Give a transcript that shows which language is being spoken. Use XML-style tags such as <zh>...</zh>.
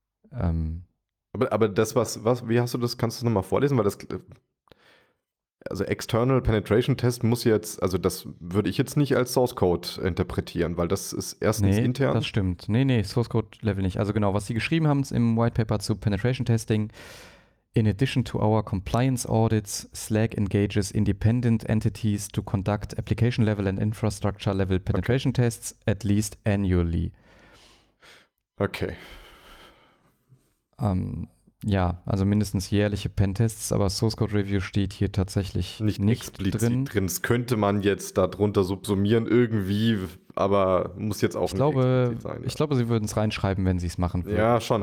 <de>Aber das, was, wie hast du das, kannst du das nochmal vorlesen? Weil das, also External Penetration Test muss jetzt, also das würde ich jetzt nicht als Source Code interpretieren, weil das ist erstens nee, intern. Nee, das stimmt. Nee, Source Code Level nicht. Also genau, was sie geschrieben haben im White Paper zu Penetration Testing.</de> <en>In addition to our compliance audits, Slack engages independent entities to conduct application level and infrastructure level penetration tests at least annually.</en> <de>Okay. Ja, also mindestens jährliche Pentests, aber Source Code Review steht hier tatsächlich nicht explizit drin. Das könnte man jetzt darunter subsumieren irgendwie, aber muss jetzt auch nicht sein. Ja. Ich glaube, sie würden es reinschreiben, wenn sie es machen würden. Ja, schon.</de>